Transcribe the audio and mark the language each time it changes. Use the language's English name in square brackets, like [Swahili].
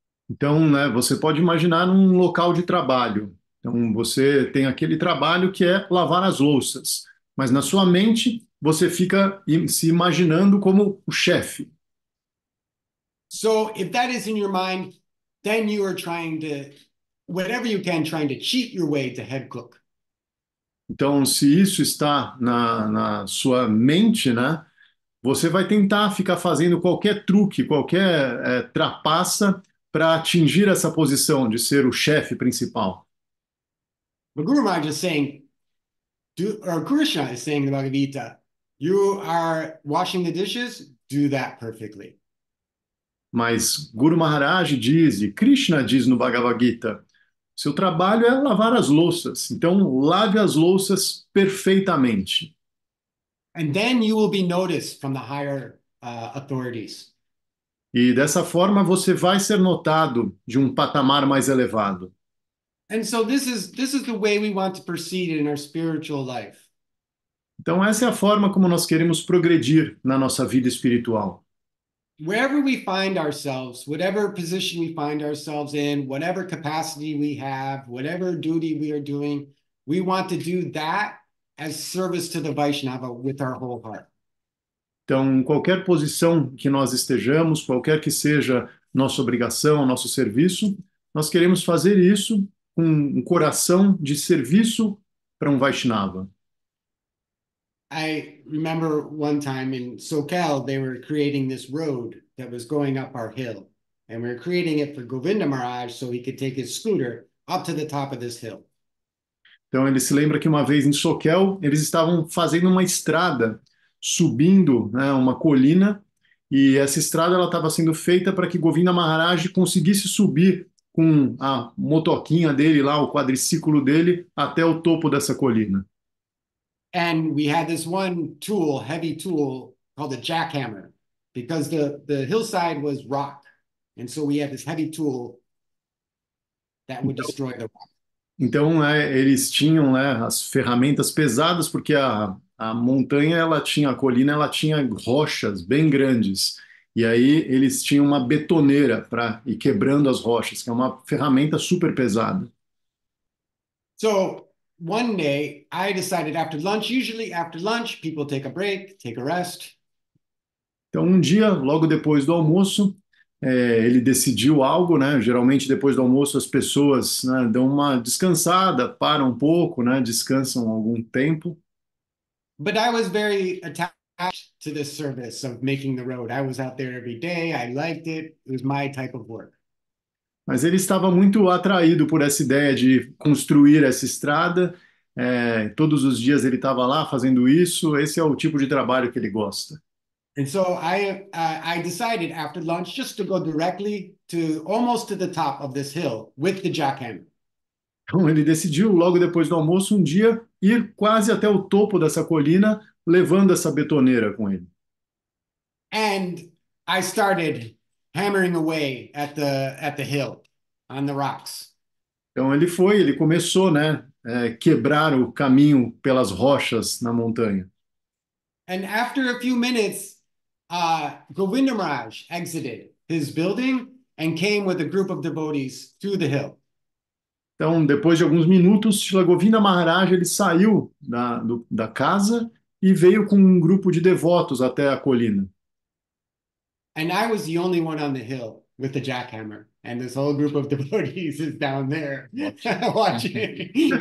[Portuguese] Então, né, você pode imaginar um local de trabalho. Então, você tem aquele trabalho que é lavar as louças. Mas na sua mente, você fica se imaginando como o chefe. [English] So, if that is in your mind, then you are trying to, whatever you can, trying to cheat your way to head cook. [Portuguese] Então, se isso está na sua mente, né, você vai tentar ficar fazendo qualquer truque, qualquer trapaça para atingir essa posição de ser o chefe principal. [English] But Guru Maharaj is saying, or Krishna is saying in the Bhagavad Gita, you are washing the dishes, do that perfectly. [Portuguese] Mas Guru Maharaj diz, e Krishna diz no Bhagavad Gita, seu trabalho é lavar as louças, então lave as louças perfeitamente. [English] And then you will be noticed from the higher authorities. [Portuguese] E dessa forma você vai ser notado de um patamar mais elevado. [English] And so this is the way we want to proceed in our spiritual life. [Portuguese] Então essa é a forma como nós queremos progredir na nossa vida espiritual. [English] Wherever we find ourselves, whatever position we find ourselves in, whatever capacity we have, whatever duty we are doing, we want to do that as service to the Vaishnava with our whole heart. [Portuguese] Então, qualquer posição que nós estejamos, qualquer que seja nossa obrigação, nosso serviço, nós queremos fazer isso com um coração de serviço para um Vaishnava. [English] I remember one time in SoCal, they were creating this road that was going up our hill. And we were creating it for Govinda Maharaj so he could take his scooter up to the top of this hill. [Portuguese] Então, ele se lembra que uma vez em SoCal, eles estavam fazendo uma estrada subindo, né, uma colina, e essa estrada ela estava sendo feita para que Govinda Maharaj conseguisse subir com a motoquinha dele lá, o quadriciclo dele, até o topo dessa colina. [English] And we had this one tool, heavy tool, called a jackhammer, because the hillside was rock, and so we had this heavy tool that would destroy the rock. [Portuguese] Então, eles tinham, né, as ferramentas pesadas, porque a montanha, ela tinha, a colina, ela tinha rochas bem grandes. E aí eles tinham uma betoneira para ir quebrando as rochas, que é uma ferramenta super pesada. [English] So, one day, I decided after lunch, usually after lunch, people take a break, take a rest. [Portuguese] Então, um dia, logo depois do almoço, ele decidiu algo, né? Geralmente, depois do almoço, as pessoas, né, dão uma descansada, param um pouco, né? Descansam algum tempo. [English] But I was very attached to this service of making the road. I was out there every day. I liked it. It was my type of work. [Portuguese] Mas ele estava muito atraído por essa ideia de construir essa estrada. Todos os dias ele estava lá fazendo isso. Esse é o tipo de trabalho que ele gosta. [English] And so I decided after lunch just to go directly to almost to the top of this hill with the jackhammer. [Portuguese] Então, ele decidiu, logo depois do almoço, um dia, ir quase até o topo dessa colina, levando essa betoneira com ele. [English] And I started hammering away at the hill, on the rocks. [Portuguese] Então, ele começou, né, quebrar o caminho pelas rochas na montanha. [English] And after a few minutes, Govinda Maharaj exited his building and came with a group of devotees to the hill. [Portuguese] Então, depois de alguns minutos, Srila Govinda Maharaj ele saiu da casa e veio com um grupo de devotos até a colina. [English] And I was the only one on the hill with the jackhammer, and this whole group of devotees is down there watching.